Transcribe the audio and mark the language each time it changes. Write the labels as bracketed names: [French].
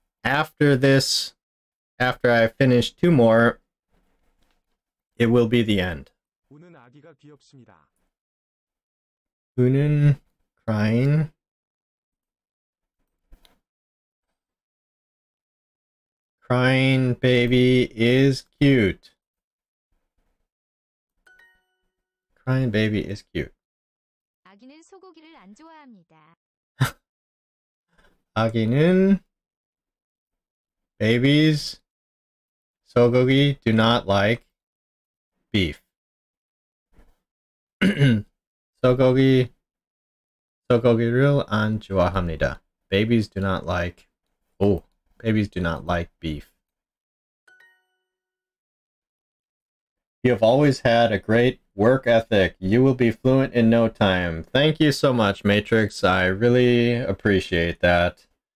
[English] After this, after I finish two more, it will be the end. [Korean] 우는 아기가 귀엽습니다. 우는 [English] crying. Crying baby is cute. Crying baby is cute. [Korean] 아기는 소고기를 안 좋아합니다. 아기는 [English] babies [Korean] 소고기 [English] do not like beef. [Korean] 소고기를 안 좋아합니다. [English] Babies do not like babies do not like beef. You have always had a great work ethic. You will be fluent in no time. Thank you so much, Matrix. I really appreciate that.